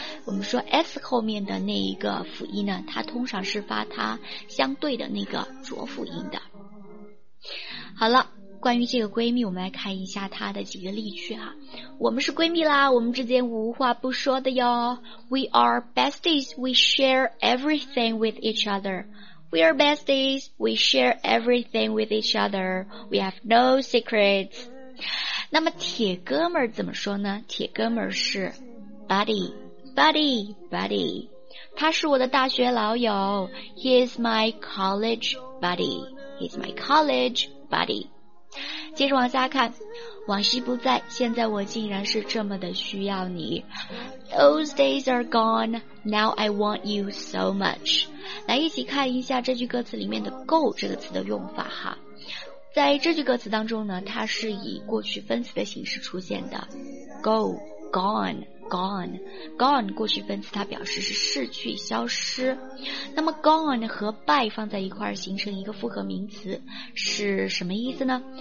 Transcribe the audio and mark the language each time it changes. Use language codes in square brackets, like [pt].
[zh] 我们说 s 后面的那一个辅音呢，它通常是发它相对的那个浊辅音的。好了，关于这个闺蜜，我们来看一下她的几个例句啊。我们是闺蜜啦，我们之间无话不说的哟。 [en] We are besties, we share everything with each other. We are besties, we share everything with each other. We have no secrets. [zh] 那么铁哥们儿怎么说呢？铁哥们儿是 [en] buddy, buddy, buddy. [zh] 他是我的大学老友。 [en] He is my college buddy. He is my college buddy. [zh] 接着往下看，往昔不在，现在我竟然是这么的需要你。 [en] Those days are gone, now I want you so much. [zh] 来一起看一下这句歌词里面的 go 这个词的用法哈。在这句歌词当中呢，它是以过去分词的形式出现的。 [en] Go, gone, gone, gone [zh] 过去分词它表示是逝去、消失。那么 gone 和 by 放在一块儿形成一个复合名词是什么意思呢？